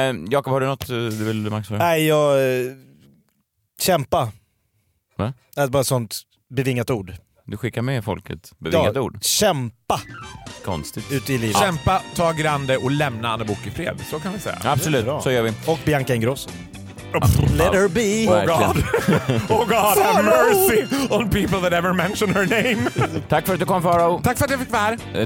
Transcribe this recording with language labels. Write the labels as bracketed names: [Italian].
[Swedish] Jakob, har du något du vill, Max? Nej, jag kämpa. Va? Det är bara sånt bevingat ord. Du skickar med folket bevingat ord. Kämpa. Konstigt. Ut i livet. Kämpa, ta grande och lämna Anna Bok i fred. Så kan vi säga. Absolut, så gör vi. Och Bianca Ingrosso. [English] Let her be. Oh God, have mercy on people that ever mention her name. [Swedish] Tack för att du kom, Farao. Tack för att jag fick vara.